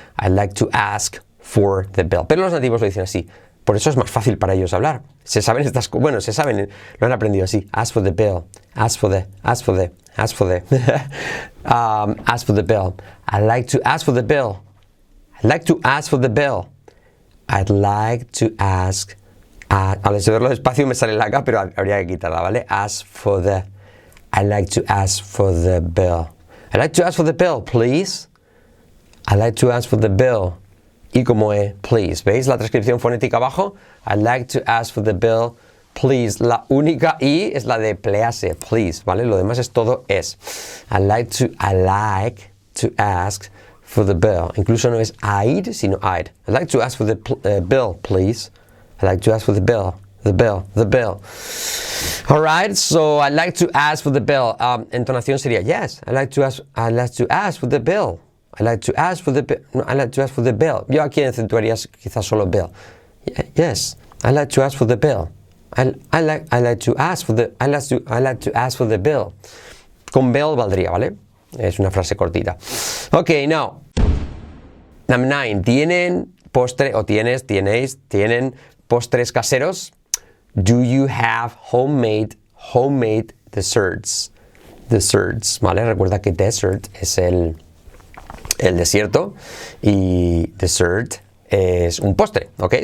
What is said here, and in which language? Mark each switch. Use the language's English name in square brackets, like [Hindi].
[English] I like to ask for the bill. [Spanish] Pero los nativos lo dicen así. Por eso es más fácil para ellos hablar. Se saben estas cosas. Bueno, se saben. Lo han aprendido así. [English] Ask for the bill. Ask for the. Ask for the. Ask for the. ask for the bill. I'd like to ask for the bill. I'd like to ask for the bill. I'd like to ask. [Spanish] Al hacerlo despacio me sale la K, pero habría que quitarla, ¿vale? [English] Ask for the. I'd like to ask for the bill. I'd like to ask for the bill, please. I'd like to ask for the bill. [Spanish] Y como E, please. ¿Veis la transcripción fonética abajo? [English] I'd like to ask for the bill, please. [Spanish] La única I es la de please, please, ¿vale? Lo demás es todo es. [English] I'd like to ask for the bill. [Spanish] Incluso no es [English] I'd, sino I'd. I'd like to ask for the bill, please. I'd like to ask for the bill, the bill, the bill. All right, so I'd like to ask for the bill. [Spanish] Entonación sería, [English] yes, I'd like to ask for the bill. I like to ask for the bill. No, I like to ask for the bill. [Spanish] Yo aquí acentuaría quizás solo bill. [English] Yes, I like to ask for the bill. I like to ask for the bill. [Spanish] Con bill valdría, ¿vale? Es una frase cortita. [English] Okay, now. Number 9. [Spanish] ¿Tienen postre o tienes, tienéis, tienen postres caseros? [English] Do you have homemade desserts? Desserts, ¿vale? [Spanish] Recuerda que dessert es el desierto y dessert es un postre, ¿ok?